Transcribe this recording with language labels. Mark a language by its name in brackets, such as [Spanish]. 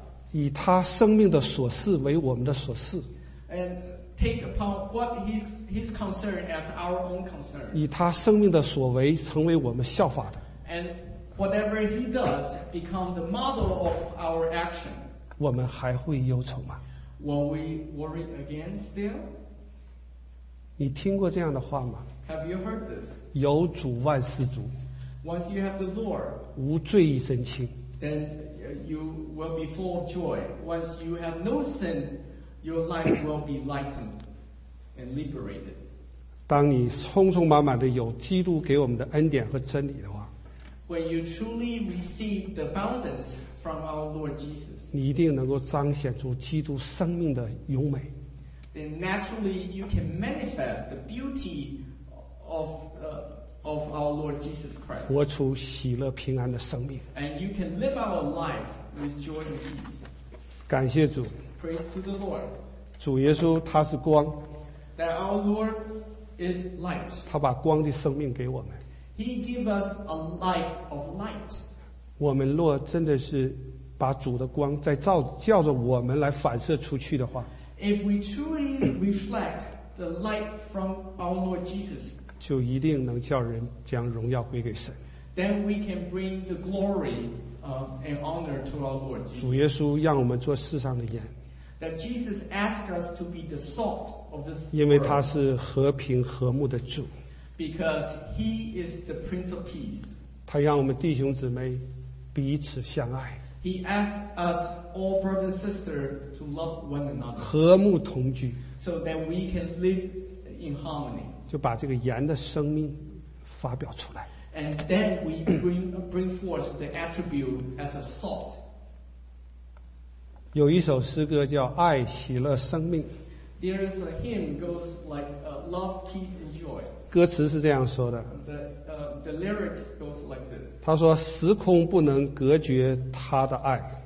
[Chinese] 以他生命的所事为我们的所事 [English] and take upon what his concern as our own concern [Chinese] 以他生命的所为成为我们效法的 [English] and whatever he does become the model of our action [Chinese] 我们还会忧愁吗 [English] will we worry again still [Chinese] 你听过这样的话吗 [English] have you heard this [Chinese] 有主万事足 [English] Once you have the Lord, [Chinese] 无罪一身轻 [English] then you will be full of joy. Once you have no sin, your life will be lightened and liberated. [Chinese] 当你充充满满的有基督给我们的恩典和真理的话 [English] when you truly receive the abundance from our Lord Jesus, [Chinese] 你一定能够彰显出基督生命的永美 [English] then naturally you can manifest the beauty of of our Lord Jesus Christ. [Chinese] 活出喜乐平安的生命。 [English] And you can live our life with joy and peace. [Chinese] 感谢主。 [English] Praise to the Lord. [Chinese] 主耶稣他是光。 [English] That our Lord is light. [Chinese] 他把光的生命给我们。 [English] He gave us a life of light. [Chinese] 我们若真的是把主的光再照叫着我们来反射出去的话。 [English] If we truly reflect the light from our Lord Jesus. [Chinese] 就一定能叫人将荣耀归给神。 [English] Then we can bring the glory and honor to our Lord Jesus. [Chinese] 主耶稣让我们做世上的盐。 [English] That Jesus asked us to be the salt of this world. [Chinese] 因为他是和平和睦的主。 [English] Because he is the Prince of Peace. [Chinese] 他让我们弟兄姊妹彼此相爱。 [English] He asked us all brothers and sisters to love one another. [Chinese] 和睦同居。 [English] So that we can live in harmony. [Chinese] 就把这个盐的生命发表出来。 [English] And then we bring forth the attribute as a salt. [Chinese] 有一首诗歌叫《爱、喜乐、生命》。 [English] There is a hymn goes like love, peace, and joy. [Chinese] 歌词是这样说的。 [English] The lyrics goes like this. [Chinese] 他说：“时空不能隔绝他的爱。